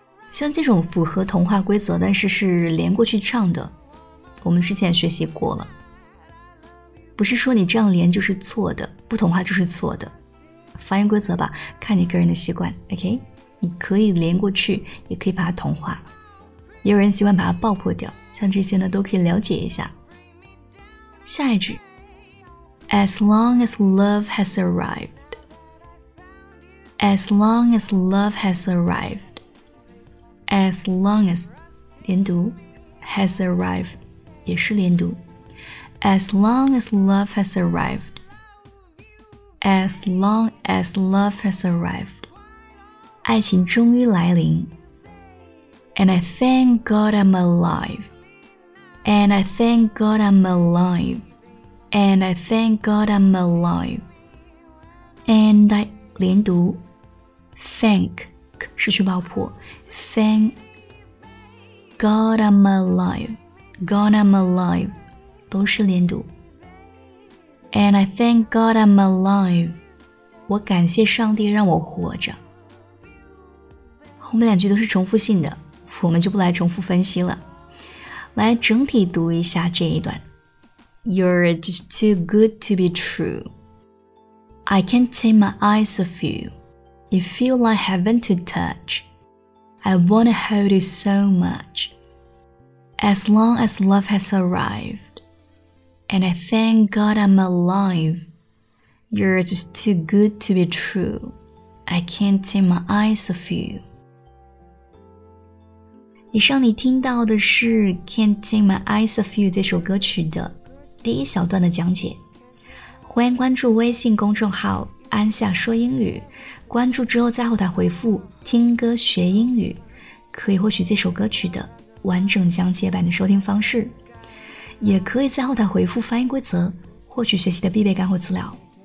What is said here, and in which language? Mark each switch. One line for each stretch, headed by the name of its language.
Chinese: 像这种符合同化规则但是是连过去唱的，我们之前学习过了。不是说你这样连就是错的，不同化就是错的。发音规则吧，看你个人的习惯。 OK， 你可以连过去，也可以把它同化。也有人喜欢把它爆破掉，像这些呢，都可以了解一下。下一句
English: ，As long as love has arrived， as long as love has arrived， as long as
Chinese: 连读
English: has arrived
Chinese: 也是连读
English: ，as long as love has arrived。 As long as love has arrived.
Chinese: 爱情终于来临。
English: And I thank God I'm alive. And I thank God I'm alive. And I thank God I'm alive. And I
Chinese: 连读
English: Thank
Chinese: 失去爆破
English: Thank God I'm alive. God I'm alive
Chinese: 都是连读
English: And I thank God I'm alive.
Chinese: 我感谢上帝让我活着。后面两句都是重复性的，我们就不来重复分析了。来整体读一下这一段。
English: You're just too good to be true. I can't take my eyes off you. You feel like heaven to touch. I wanna hold you so much. As long as love has arrived.And I thank God I'm alive. You're just too good to be true. I can't take my eyes off you.
Chinese: 以上你听到的是 Can't Take My Eyes Off You 这首歌曲的第一小段的讲解。欢迎关注微信公众号安夏说英语，关注之后在后台回复听歌学英语，可以获取这首歌曲的完整讲解版的收听方式，也可以在后台回复发音规则获取学习的必备干货资料。